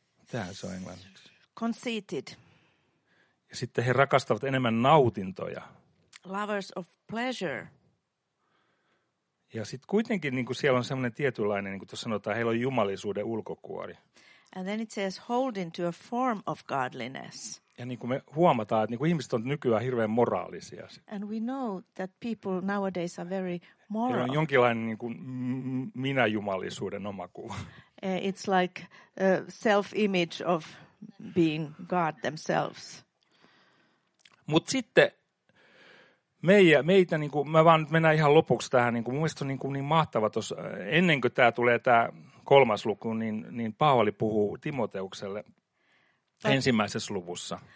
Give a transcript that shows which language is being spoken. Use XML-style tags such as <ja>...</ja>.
<fi>Tähän se on englanniksi.</fi> <en>Conceited.</en> <fi>Ja sitten he rakastavat enemmän nautintoja.</fi> <en>Lovers of pleasure.</en> <fi>Ja sitten kuitenkin niin kuin siellä on semmoinen tietynlainen, niin kuin tuossa sanotaan, heillä on jumalisuuden ulkokuori.</fi> <en>And then it says holding to a form of godliness.</en> <fi>Ja niin kuin me huomataan, että niin kuin ihmiset on nykyään hirveän moraalisia.</fi> <en>And we know that people nowadays are very moral.</en> <fi>Heillä on jonkinlainen niin kuin minä-jumalisuuden omakuva.</fi> <en>It's like a self-image of being God themselves.</en> <fi>Mut sitten meitä niin kuin, mä vaan mennään ihan lopuksi tähän, niin kuin, mun mielestä on niin, kuin, niin mahtava tuossa, ennen kuin tämä tulee tämä kolmas luku, niin Paavali puhuu Timoteukselle ensimmäisessä luvussa.</fi>